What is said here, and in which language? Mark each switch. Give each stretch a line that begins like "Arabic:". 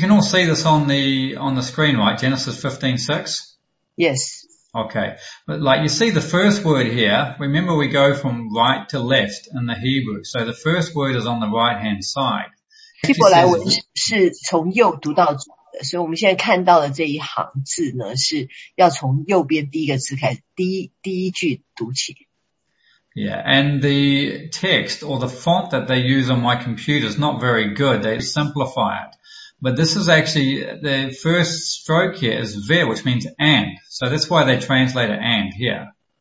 English: can all see this on the screen, right? Genesis 15:6. Yes. Okay, but like you see the first word here. Remember, we go from right to left in the Hebrew, so the first word is on the right-hand side.
Chinese: 希伯来文是从右读到左的，所以我们现在看到的这一行字呢，是要从右边第一个字开始，第一句读起。Yeah,
English: and the text or the font that they use on my computer is not very good. They simplify it, but this is actually the first stroke here is ver, which means and, so that's why they translate it and here.